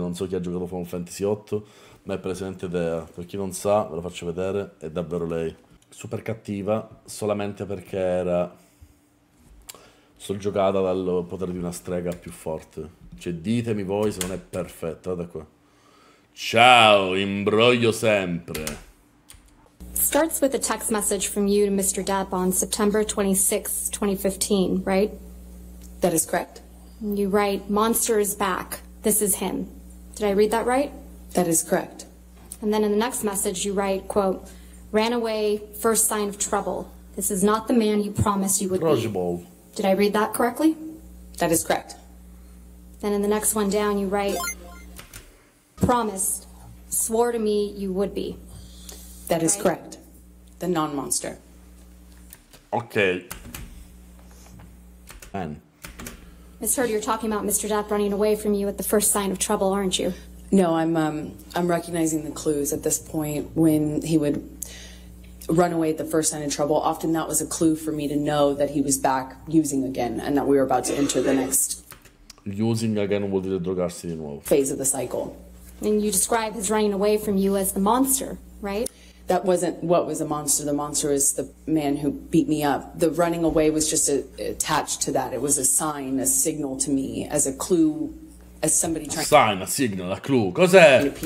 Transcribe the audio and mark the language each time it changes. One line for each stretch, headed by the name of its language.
Italian: Non so chi ha giocato Final Fantasy 8, ma è presente Edea. Per chi non sa, ve lo faccio vedere, è davvero lei. Super cattiva solamente perché era soggiogata dal potere di una strega più forte. Cioè, ditemi voi se non è perfetta. Guarda qua. Ciao, imbroglio sempre.
English: Starts with a text message from you to Mr. Depp on September 26, 2015, right? That is correct. You write, Monster is back. This is him. Did I read that right? That is correct. And then in the next message you write, quote, ran away, first sign of trouble. This is not the man you promised you would Trouble. Be. Did I read that correctly? That is correct. Then in the next one down you write, promised, swore to me you would be. That is right? Correct. The non-monster. Okay. Fine. Miss Heard, you're talking about Mr. Depp running away from you at the first sign of trouble, aren't you? No, I'm recognizing the clues at this point when he would run away at the first sign of trouble. Often that was a clue for me to know that he was back using again and that we were about to enter the next using again
Italian: vuol dire drogarsi di nuovo.
English: Phase of the cycle. And you describe his running away from you as the monster, right? That wasn't what was a monster. The monster is the man who beat me up. The running away was just attached to that. It was a sign, a signal to me as a clue, as somebody trying a sign, a signal, a clue.
Italian: Cos'è?